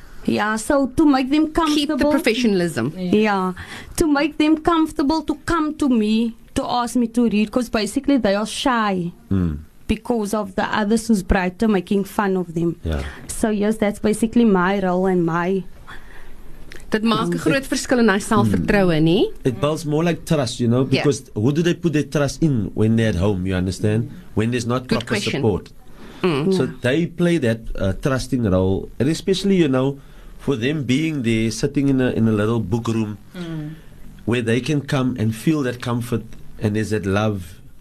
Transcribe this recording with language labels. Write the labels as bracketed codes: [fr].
[en] Yeah, so to make them comfortable. Keep the professionalism. Yeah. To make them comfortable to come to me to ask me to read. Because basically they are shy. Because of the others who's brighter making fun of them. Yeah. So yes, that's basically my role and my... [af] Dit maak 'n groot verskil in hy selfvertroue, nie? [en] It builds more like trust, you know, because who do they put their trust in when they're at home, you understand? When there's not good proper question. Support. So they play that trusting role, and especially, you know, for them being there, sitting in a little book room, where they can come and feel that comfort and there's that love.